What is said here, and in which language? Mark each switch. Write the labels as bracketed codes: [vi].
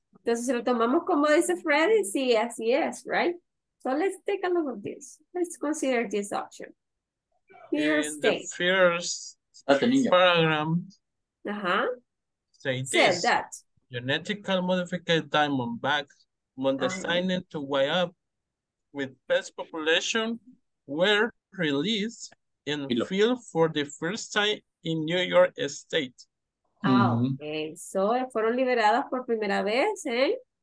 [es] Entonces, si lo tomamos como dice Freddy, sí, así es, right? [en] So let's take a look at this. Let's consider this option. The first paragraph said that genetical modified diamondbacks were designed to wipe up with pest population were released in field for the first time in New York State. [es] Okay. So fueron liberadas por primera vez en